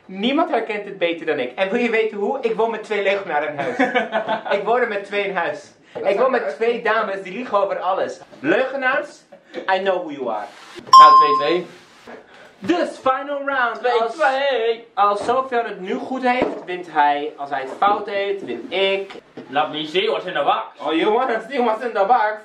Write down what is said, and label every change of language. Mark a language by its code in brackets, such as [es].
[nl] Niemand herkent het beter dan ik. En wil je weten hoe? Ik woon met twee Lego naar een huis. Ik woon er met twee in huis. Ik woon met twee dames die liegen over alles. [en] Leugenaars, I know who you are. [nl] Nou, 2-2. Dus, final round. 2-2. Als Sophia het nu goed heeft, wint hij. Als hij het fout heeft, win ik. [en] Let me see what's in the box. Oh, you wanna see what's in the box?